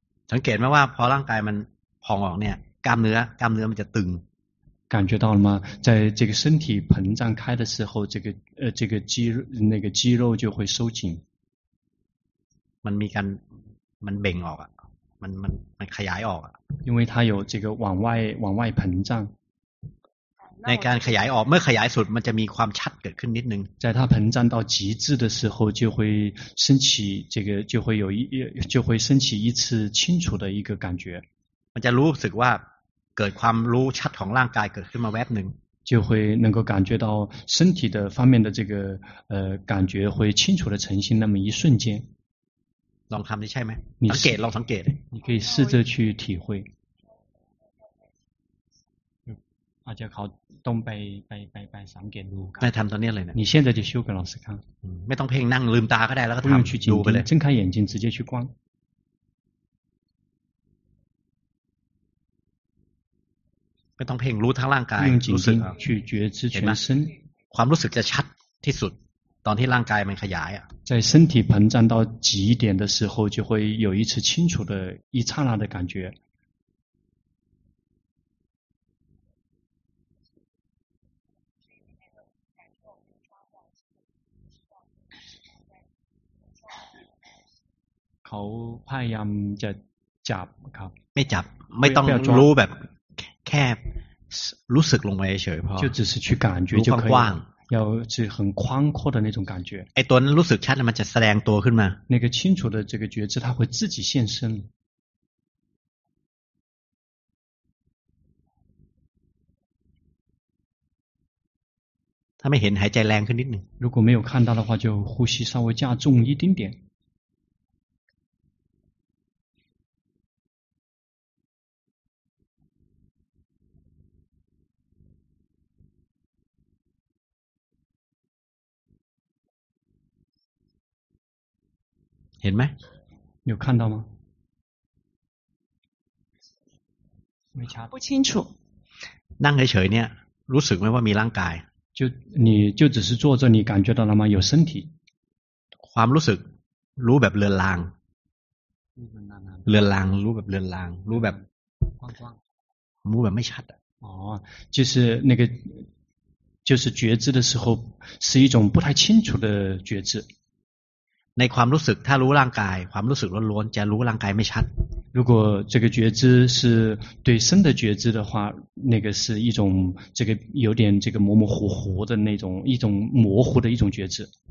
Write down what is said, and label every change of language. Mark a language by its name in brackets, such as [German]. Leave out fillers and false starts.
[Thai] สังเกตไหมว่าพอร่างกายมันพองออกเนี่ยกล้ามเนื้อมันจะตึง [Chinese] 感觉到了吗？在这个身体膨胀开的时候，这个肌肉那个肌肉就会收紧。 [Thai] มันมีการมันเบ่งออกอ่ะมันขยายออกอ่ะ [Chinese] 因为它有这个往外膨胀。 [Thai] ในการขยายออกเมื่อขยายสุดมันจะมีความชัดเกิดขึ้นนิดนึง [Chinese] 在它膨胀到极致的时候就会升起这个就会有一就会升起一次清楚的一个感觉。 [Thai] มันจะรู้สึกว่าเกิดความรู้ชัดของร่างกายเกิดขึ้นมาแวบหนึ่ง [Chinese] 就会能够感觉到身体的方面的这个感觉会清楚的呈现那么一瞬间 [Thai] ลองทำได้ใช่ไหมลองสังเกต [Chinese] 你可以试着去体会 [Thai] อาจจะเขาต้องไปสังเกตดู ได้ทำตอนนี้เลยนะ [Chinese] 你现在就修给老师看 [Thai] ไม่ต้องเพ่งนั่งลืมตาก็ได้แล้วก็ทำดูไปเลย [Chinese] 睁开眼睛直接去观 [Thai] ไม่ต้องเพ่งรู้ทั้งร่างกายรู้สึกเห็นไหม ความรู้สึกจะชัดที่สุดตอนที่ร่างกายมันขยายอ่ะ [Chinese] 在身体膨胀到极点的时候就会有一次清楚的一刹那的感觉 [Thai] เขาพยายามจะจับครับ ไม่จับไม่ต้องรู้แบบแค่รู้สึกลงไปเฉยๆพอ [Chinese] 就只是去感觉就可以 [Thai] กว้าง [Chinese] ๆ要是很宽阔的那种感觉 [Thai] ไอ้ตัวนั้นรู้สึกชัดมันจะแสดงตัวขึ้นมา [Chinese] 那个清楚的这个觉知它会自己现身 [Thai] ถ้าไม่เห็นหายใจแรงขึ้นนิดนึง [Chinese] 如果没有看到的话就呼吸稍微加重一丁点 [Thai] เห็นไหม [Chinese] 有看到吗 [Thai] ไม่ชัด [Chinese] 不清楚 [Thai] นั่งเฉยๆเนี่ยรู้สึกไหมว่ามีร่างกาย [Chinese] 就你就只是坐着你感觉到了吗有身体 [Thai] ความรู้สึกรู้แบบเลือนลางเลือนลางรู้แบบเลือนลางรู้แบบ กว้าง ๆรู้แบบไม่ชัด [Chinese] อ๋อ就是那个就是觉知的时候是一种不太清楚的觉知 [Thai] ในความรู้สึกถ้ารู้ร่างกายความรู้สึกล้วนๆจะรู้ร่างกายไม่ชัด [Chinese] 如果这个觉知是对身的觉知的话那个是一种这个有点这个模模糊糊的那种一种模糊的一种觉知